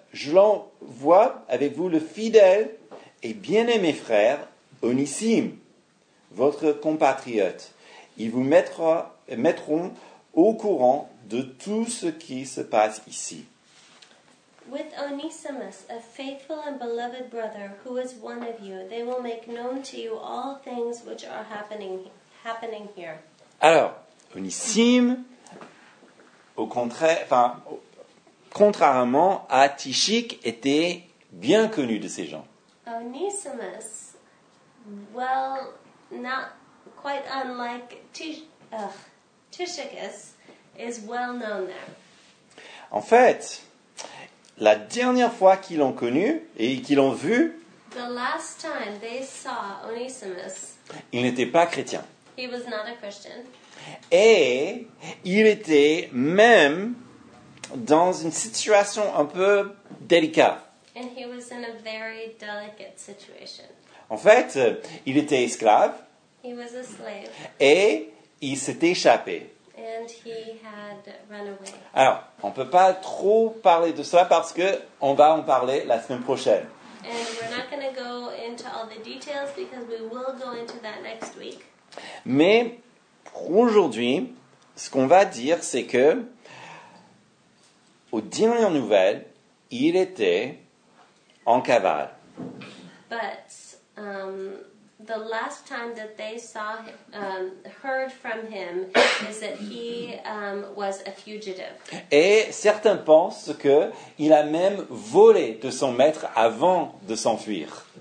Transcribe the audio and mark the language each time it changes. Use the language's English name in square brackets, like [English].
[French] Je l'envoie avec vous le fidèle et bien-aimé frère Onésime, votre compatriote. Ils vous mettront au courant de tout ce qui se passe ici. [English] With Onesimus, a faithful and beloved brother, who is one of you, they will make known to you all things which are happening here. [French] Alors, Onésime, au contraire, enfin, contrairement à Tychic, était bien connu de ces gens. [English] Onesimus, well, not quite unlike Tychicus, is well known there. [French] En fait, la dernière fois qu'ils l'ont connu et qu'ils l'ont vu, [English] the last time they saw Onesimus, [French] il n'était pas chrétien. [English] He was not a Christian. [French] Et il était même dans une situation un peu délicate. [English] And he was in a very delicate situation. [French] En fait, il était esclave. [English] He was a slave. [French] Et il s'est échappé. [English] And he had run away. [French] Alors, on ne peut pas trop parler de ça parce qu'on va en parler la semaine prochaine. [English] And we're not going to go into all the details because we will go into that next week. [French] Mais pour aujourd'hui, ce qu'on va dire, c'est que aux dernières nouvelles, il était en cavale. [English] But the last time that they saw heard from him is that he was a fugitive. [French] Et certains pensent que il a même volé de son maître avant de s'enfuir.